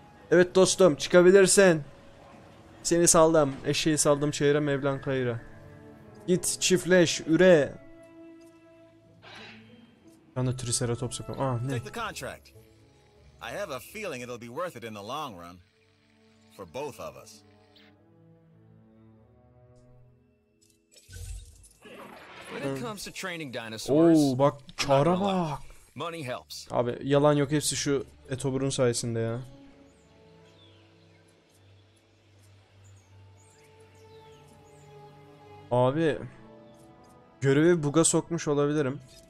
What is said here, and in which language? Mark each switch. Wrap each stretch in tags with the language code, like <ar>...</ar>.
<tr>Evet dostum, çıkabilirsin. Seni saldım. Eşeği saldım çeyre Mevlan kayıra. Git çiftleş, üre. Ben de Triceratops yapıyorum. Aa ne?</tr> <en>Take the contract. I have a feeling it'll be worth it in the long run. For both of us. When it comes to training</en> <tr>dinosaurs, oo bak çağıra bak.</tr> <en>Money helps.</en> <tr>Abi yalan yok, hepsi şu Etobur'un sayesinde ya. Abi görevi buga sokmuş olabilirim.</tr>